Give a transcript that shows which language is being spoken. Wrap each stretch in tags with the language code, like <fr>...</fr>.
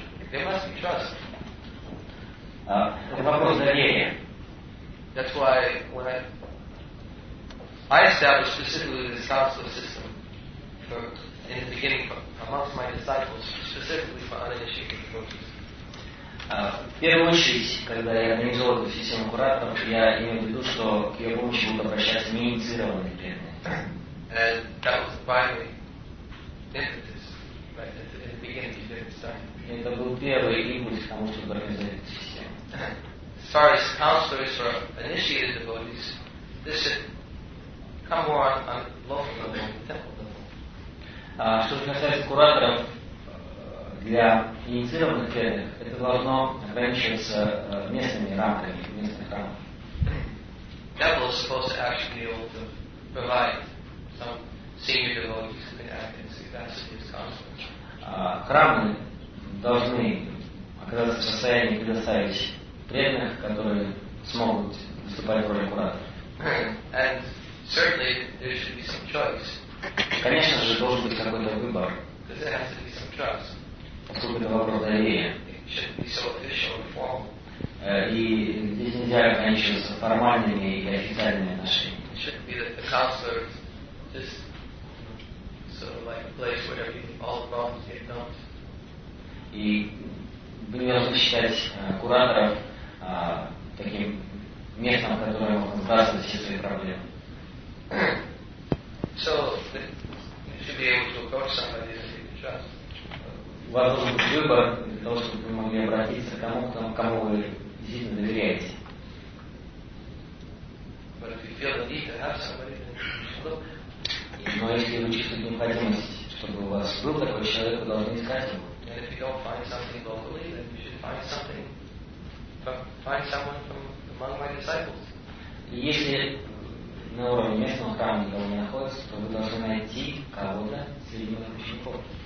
<en>There must be trust. That's why when I established specifically this counselor system for, in the beginning, amongst my disciples, specifically for uninitiated devotees.</en> <ru>В первую очередь, когда я организовал эту систему кураторов, я имел в виду, что к ее помощи будут обращаться неинициированные преданные.</ru> <en>And that was the primary impetus, right, in the beginning of the study.</en> <ru>Это был первый импульс к тому, чтобы организовать эту систему.</ru> <en>As far as counselors for initiated devotees, this is come more on local level, temple level.</en> <ru>Что же касается кураторов для инициированных преданных, это должно ограничиваться местными рамками, местных рамок.</ru> <en>Temple is supposed to actually be able to provide some senior devotees to act in the capacity of counselor.</en> <ru>Храмы должны оказаться в состоянии предоставить преданных, которые смогут выступать в роли кураторов.</ru> <en>And certainly, there should be some choice.</en> <ru>Конечно же, должен быть какой-то выбор.</ru> <en>Because there has to be some trust.</en> <ru>Поскольку это вопрос доверия.</ru> <en>It shouldn't be so official and formal.</en> <ru>И здесь нельзя ограничиваться формальными и официальными отношениями.</ru> <en>It shouldn't be that the counselor is just sort of like a place where all the problems get dumped.</en> <ru>И мы не должны считать кураторов таким местом, в котором можно сбрасывать все свои проблемы.</ru> <en>So you should be able to approach somebody that you trust.</en> <ru>У вас должен быть выбор для того, чтобы вы могли обратиться к кому вы действительно доверяете.</ru> <en>But if you feel the need to have somebody, then you should look.</en> <ru>Но если вы чувствуете необходимость, чтобы у вас был такой человек, вы должны искать его.</ru> <en>And if you don't find something locally, then you should find someone from among my disciples.</en> <ru>Если на уровне местного храма, где он находится, то вы должны найти кого-то среди моих учеников.</ru>